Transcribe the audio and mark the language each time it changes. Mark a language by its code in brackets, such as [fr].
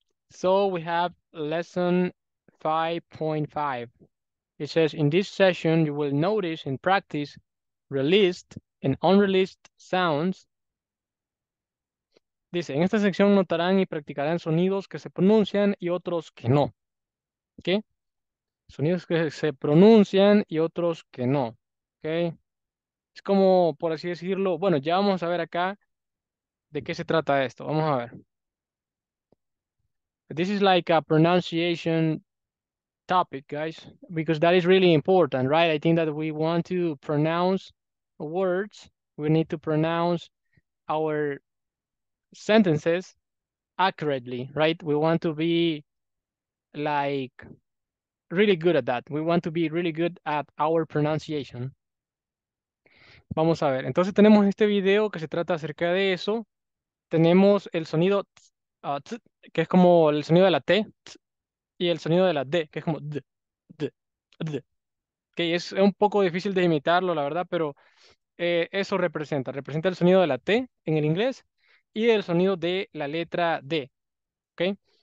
[en] So we have lesson 5.5. It says, in this session, you will notice in practice released and unreleased sounds. [es] Dice, en esta sección notarán y practicarán sonidos que se pronuncian y otros que no. ¿Qué? Sonidos que se pronuncian y otros que no. ¿Ok? Es como, por así decirlo, bueno, ya vamos a ver acá de qué se trata esto. Vamos a ver. [en] This is like a pronunciation topic, guys, because that is really important, right? I think that we want to pronounce words. We need to pronounce our sentences accurately, right? We want to be like really good at that. We want to be really good at our pronunciation. [es] Vamos a ver. Entonces tenemos este video que se trata acerca de eso. Tenemos el sonido t, que es como el sonido de la T, t, y el sonido de la D, que es como d, d, d. Okay, es un poco difícil de imitarlo, la verdad, pero eso representa el sonido de la T en el inglés y el sonido de la letra D. Okay.